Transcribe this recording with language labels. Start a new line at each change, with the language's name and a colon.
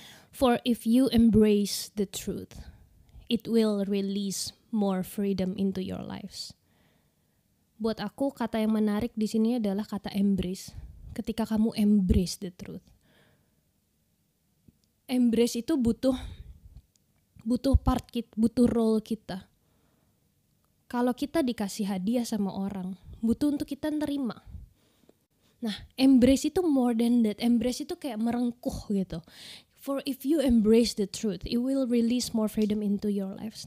English: For if you embrace the truth, it will release more freedom into your lives.
Indonesian: Buat aku, kata yang menarik di sini adalah kata embrace. Ketika kamu
English: embrace the truth.
Indonesian: Embrace itu butuh part kita, butuh role kita. Kalau kita dikasih hadiah sama orang, butuh untuk kita nerima. Nah, embrace itu
English: more than that.
Indonesian: Embrace itu kayak merengkuh gitu.
English: For if you embrace the truth, it will release more freedom into your lives.